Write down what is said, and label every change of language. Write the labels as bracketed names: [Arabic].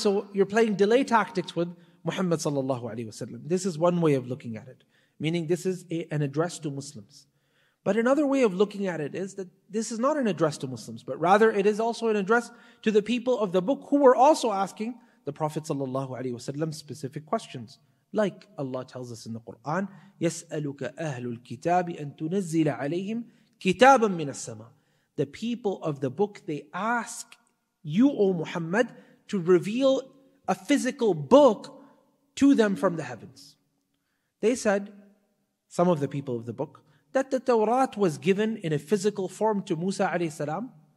[English] So you're playing delay tactics with Muhammad sallallahu alaihi wasallam. This is one way of looking at it, meaning this is an address to Muslims. But another way of looking at it is that this is not an address to Muslims, but rather it is also an address to the people of the book who were also asking the Prophet sallallahu alaihi wasallam specific questions. Like Allah tells us in the Quran, [Arabic] يَسْأَلُكَ أَهْلُ الْكِتَابِ أَن تُنَزِّلَ عَلَيْهِمْ كِتَابًا مِّنَ السَّمَاءِ. [English] The people of the book, they ask you, O Muhammad, to reveal a physical book to them from the heavens. They said, some of the people of the book, that the Torah was given in a physical form to Musa alayhi salam.